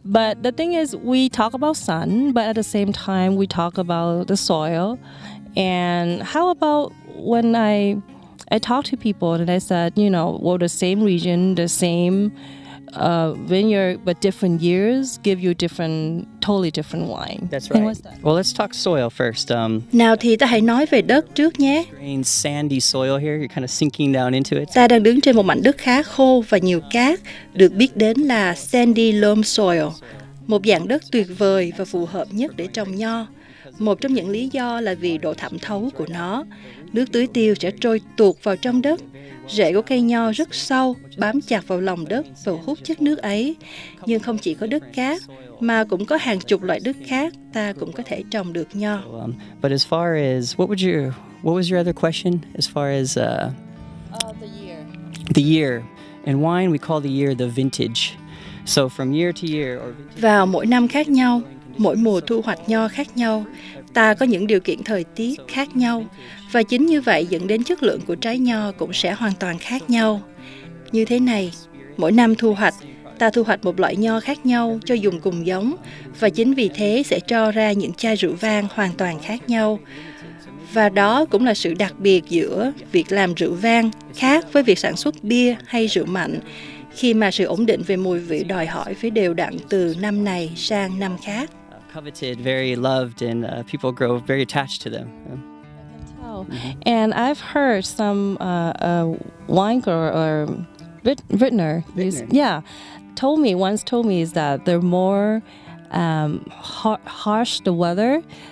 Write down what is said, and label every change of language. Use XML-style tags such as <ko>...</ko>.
<en>But the thing is, we talk about sun, but at the same time, we talk about the soil. And how about when I talk to people and I said, you know, well, the same region, the same vineyard, but different years give you different, totally different wine. That's right. That? Well, let's talk soil first.</en> <vi>Nào thì ta hãy nói về đất trước nhé.</vi> <en>Strange sandy soil here. You're kind of sinking down into it.</en> <vi>Ta đang đứng trên một mảnh đất khá khô và nhiều cát, được biết đến là sandy loam soil, một dạng đất tuyệt vời và phù hợp nhất để trồng nho. Một trong những lý do là vì độ thẩm thấu của nó. Nước tưới tiêu sẽ trôi tuột vào trong đất. Rễ của cây nho rất sâu, bám chặt vào lòng đất và hút chất nước ấy. Nhưng không chỉ có đất cát, mà cũng có hàng chục loại đất khác ta cũng có thể trồng được nho.</vi> <en>But as far as, what was your other question? As far as the year. In wine, we call the year the vintage. So from year to year.</en> <vi>Vào mỗi năm khác nhau. Mỗi mùa thu hoạch nho khác nhau, ta có những điều kiện thời tiết khác nhau, và chính như vậy dẫn đến chất lượng của trái nho cũng sẽ hoàn toàn khác nhau. Như thế này, mỗi năm thu hoạch, ta thu hoạch một loại nho khác nhau cho dùng cùng giống, và chính vì thế sẽ cho ra những chai rượu vang hoàn toàn khác nhau. Và đó cũng là sự đặc biệt giữa việc làm rượu vang khác với việc sản xuất bia hay rượu mạnh, khi mà sự ổn định về mùi vị đòi hỏi phải đều đặn từ năm này sang năm khác.</vi> <en>Coveted, very loved, and people grow very attached to them. I can tell. And I've heard some wine grower or vintner, told me is that they're more harsh the weather.</en>